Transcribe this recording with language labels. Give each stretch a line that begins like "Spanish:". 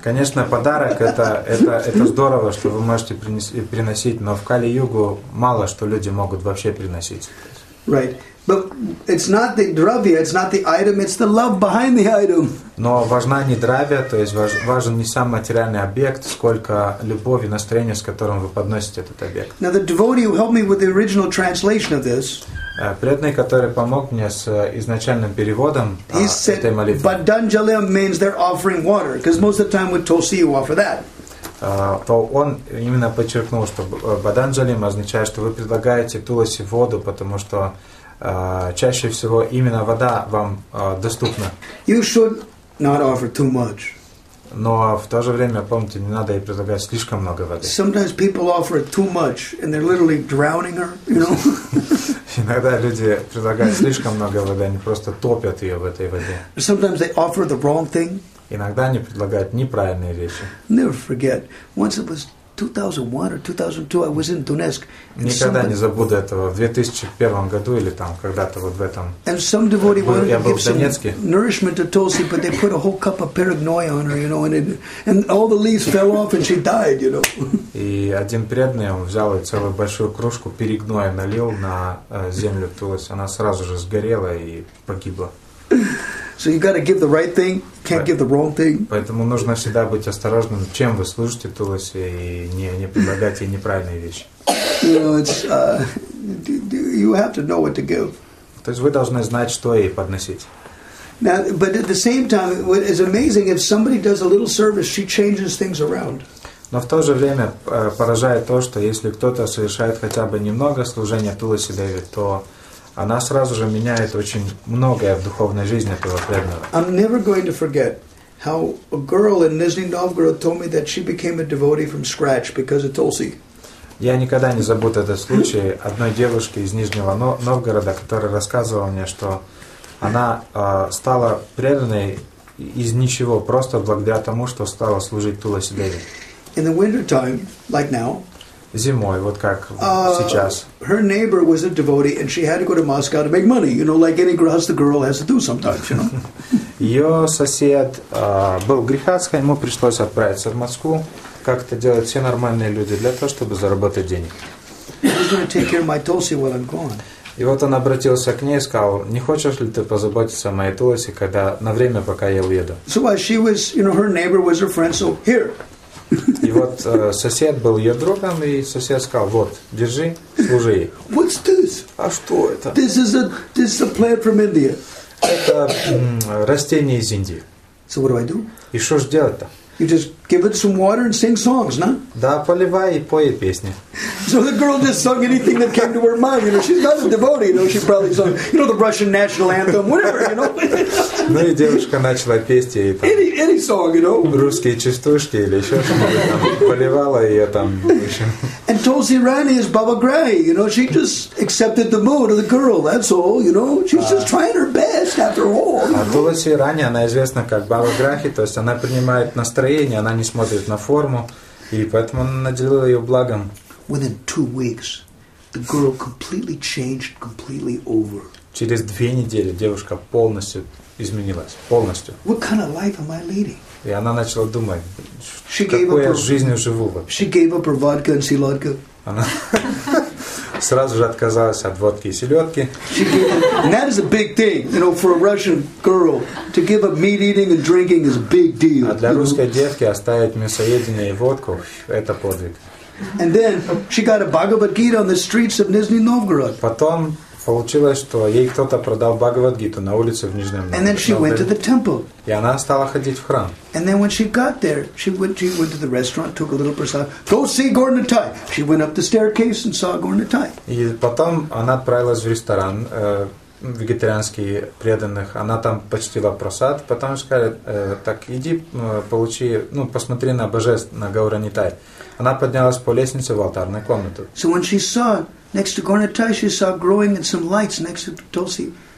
Russian: Конечно, подарок это здорово, что вы можете приносить, но в Кали Югу мало что люди могут вообще приносить.
English: Right. But it's not the dravya, it's not the item, it's the love behind the item.
Russian: Но важна не дравья, то есть важен не сам материальный объект, сколько любовь и настроение, с которым вы подносите этот объект.
English: Now the devotee who helped me with the original translation of this.
Russian: Преданный, который помог мне с изначальным переводом этой молитвы.
English: Bhajanjalim means they're offering water, because most of the time with Tulsi you offer that.
Russian: То он именно подчеркнул, что Bhajanjalim означает, что вы предлагаете Туласи воду, потому что чаще всего именно вода вам доступна.
English: You should not offer too much.
Russian: Но в то же время, помните, не надо ей предлагать слишком много воды.
English: Sometimes people offer too much and they're literally drowning her, you know.
Russian: Иногда люди предлагают слишком много воды, они просто топят ее в этой воде.
English: Sometimes they offer the wrong thing.
Russian: Иногда они предлагают неправильные вещи.
English: Never forget, once it was 2001 or 2002, I was in Donetsk.
Russian: Никогда не забуду этого. В 2001 году или там когда-то вот в этом.
English: And some devotee wanted to give some
Russian: Донецке.
English: Nourishment to Tulsi, but they put a whole cup of paranoia on her, you know, and all the leaves fell off and she died, you know.
Russian: И один преданный он взял целую большую кружку перегноя налил на землю Тулас, она сразу же сгорела и погибла.
English: So you got to give the right thing, can't give the wrong thing.
Russian: Поэтому нужно всегда быть осторожным, чем вы служите Туласе, и не предлагать ей неправильные вещи.
English: You know, it's you have to know what to give.
Russian: То есть вы должны знать, что ей подносить.
English: Now, but at the same time, what is amazing, if somebody does a little service, she changes things around.
Russian: Но в то же время поражает то, что если кто-то совершает хотя бы немного служения Туласи Деви, то она сразу же меняет очень многое в духовной жизни этого преданного.
English: I'm never going to forget how a girl in Nizhny Novgorod told me that she became a devotee from scratch because of Tulsi.
Russian: Я никогда не забуду этот случай одной девушки из Нижнего Новгорода, которая рассказывала мне, что она стала преданной из ничего, просто благодаря тому, что стала служить Туласи Деви.
English: In the winter time, like now,
Russian: зимой, вот как сейчас.
English: Her neighbor was a devotee, and she had to go to Moscow to make money. You know, like any grihastha girl has to do sometimes. You know.
Russian: Ее сосед был грихастха, ему пришлось отправиться в Москву, как это делают все нормальные люди для того, чтобы заработать денег.
English: Who's going to take care of my tulsi while I'm gone?
Russian: И вот он обратился к ней и сказал: «Не хочешь ли ты позаботиться о моей Тулосе, когда на время, пока я уеду?»
English: So while she was, you know, her neighbor was her friend, so here.
Russian: И вот сосед был ее другом, и сосед сказал: «Вот, держи, служи ей».
English: What's this?
Russian: А что это?
English: This is a plant from India.
Russian: Это растение из Индии.
English: So what do I do?
Russian: И что же делать-то?
English: You just give it some water and sing songs, no?
Russian: Да, поливай и пой песни.
English: So the girl just sung anything that came to her mind. You know, she's not a devotee, you know. She probably sung, you know, the Russian national anthem, whatever, you know.
Russian: Ну и девушка начала петь ей там.
English: Any song, you know.
Russian: Русские частушки или еще что-нибудь там. Поливала ее там.
English: And Tulsi Rani is Baba Gray, you know. She just accepted the mood of the girl. That's all, you know. She's just trying her best after all.
Russian: А Tulsi Rani, она известна как Баба Грахи, то есть она принимает настроение, она не смотрит на форму, и поэтому она наделила ее благом.
English: Within 2 weeks, the girl completely changed completely over.
Russian: Через 2 недели девушка полностью изменилась, полностью.
English: What kind of life am I leading?
Russian: И она начала думать, какой я жизнью живу вообще.
English: She gave up her vodka and селедка.
Russian: Она сразу же отказалась от водки и селедки.
English: And that is a big thing, you know, for a Russian girl to give up meat eating and drinking is a big deal.
Russian: А для русской девки оставить мясоедение и водку – это подвиг.
English: And then she got a Bhagavad Gita on the streets of Nizhny Novgorod.
Russian: Потом получилось, что ей кто-то продал Бхагавад-гиту на улице в Нижнем Новгороде.
English: And then she went to the temple.
Russian: И она стала ходить в храм.
English: And then when she got there, she went to the restaurant, took a little prasad. Go see Gaur Nitai. She went up the staircase and saw Gaur Nitai.
Russian: И потом она отправилась в ресторан вегетарианский преданных. Она там почтила просад. Потом сказали: так иди, получи, ну, посмотри на божественное, на Гаура Нитай. Она поднялась по лестнице в алтарную комнату.
English: So when she saw next to Gaur Nitai, she saw growing in some lights next to Tulsi.